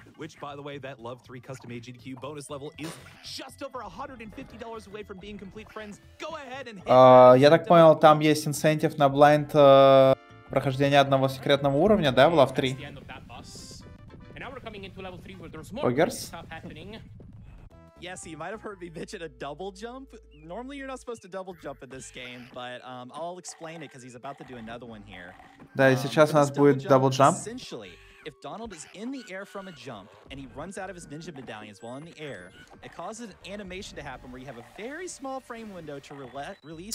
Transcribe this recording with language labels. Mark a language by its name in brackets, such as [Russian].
[English] Which, by the way, that Love 3 custom AGDQ bonus level is just over $150 away from being complete, friends. Go ahead and hit. [Russian] Я так понял, там есть инсентив на blind прохождение одного секретного уровня, да, в Love 3? [English] And now we're coming into level 3 where there's more Poggers stuff happening. Yeah, so you might have heard me mention a double jump. Normally you're not supposed to double jump in this game, but I'll explain it because he's about to do another one here. [Russian] Да, и сейчас у нас будет double jump. [English] Essentially, if Donald is in the air from a jump and he runs out of his ninja medallions while in the air, it causes an animation to happen where you have a very small frame window to release.